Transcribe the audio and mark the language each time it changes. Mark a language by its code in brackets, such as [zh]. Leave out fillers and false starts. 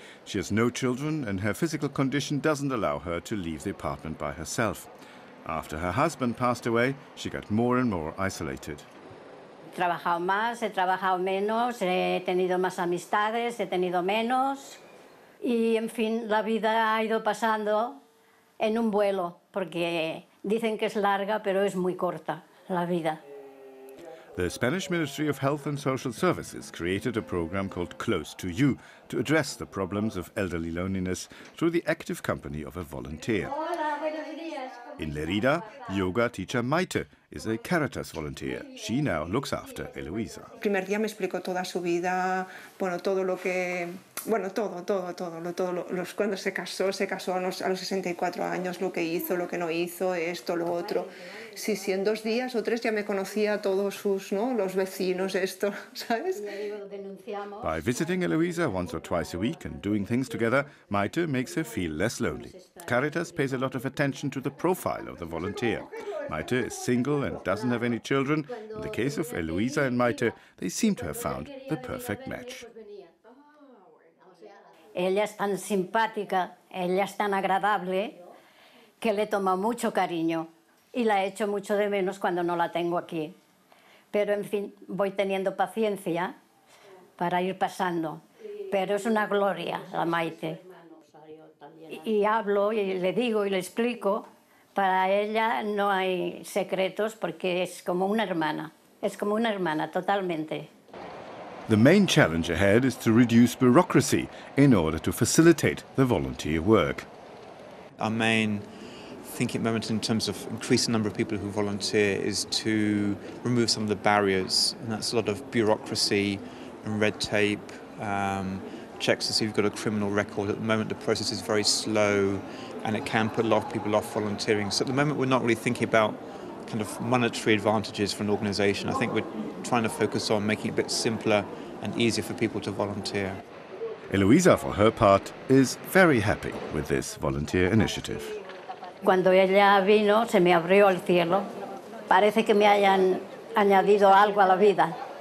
[en] She has no children and her physical condition doesn't allow her to leave the apartment by herself. After her husband passed away, she got more and more isolated. [es] Trabajado más, he trabajado menos, he tenido más amistades, he tenido menos. Y, en fin, la vida ha ido pasando en un vuelo, porque dicen que es larga, pero es muy corta la vida. [en] The Spanish Ministry of Health and Social Services created a program called Close to You to address the problems of elderly loneliness through the active company of a volunteer. In Lerida, yoga teacher Maite is a Caritas volunteer. She now looks after Eloisa. [es] El primer día me explicó toda su vida, bueno, todo lo que... Bueno, todo, cuando se casó a los 64 años, lo que hizo, lo que no hizo, esto, lo otro. Sí, en dos días o tres ya me conocía a todos sus, ¿no?, los vecinos, esto, ¿sabes? [en] By visiting Eloisa once or twice a week and doing things together, Maite makes her feel less lonely. Caritas pays a lot of attention to the profile of the volunteer. Maite is single and doesn't have any children. In the case of Eloisa and Maite, they seem to have found the perfect match. [es] Ella es tan simpática, ella es tan agradable, que le toma mucho cariño y la echo mucho de menos cuando no la tengo aquí. Pero, en fin, voy teniendo paciencia para ir pasando. Pero es una gloria la Maite. Y hablo y le digo y le explico. Para ella no hay secretos porque es como una hermana. Es como una hermana totalmente. [en] The main challenge ahead is to reduce bureaucracy in order to facilitate the volunteer work. Our main thinking moment in terms of increasing the number of people who volunteer is to remove some of the barriers, and that's a lot of bureaucracy and red tape, checks to see if you've got a criminal record. At the moment the process is very slow and it can put a lot of people off volunteering. So at the moment we're not really thinking about kind of monetary advantages for an organization. I think we're trying to focus on making it a bit simpler and easier for people to volunteer. Eloisa, for her part, is very happy with this volunteer initiative. [es] Cuando ella vino, se me abrió el cielo. Parece que me hayan añadido algo a la vida.